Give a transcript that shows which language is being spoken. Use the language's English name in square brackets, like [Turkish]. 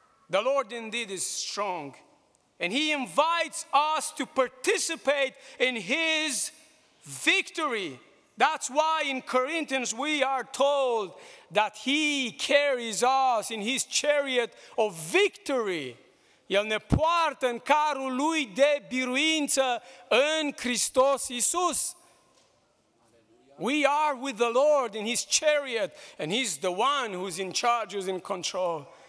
[English] The Lord indeed is strong, and he invites us to participate in his victory. That's why in Corinthians we are told that he carries us in his chariot of victory. [Romanian] El ne poartă în carul lui de biruință în Hristos Iisus. [English] We are with the Lord in his chariot, and he's the one who's in charge, who's in control.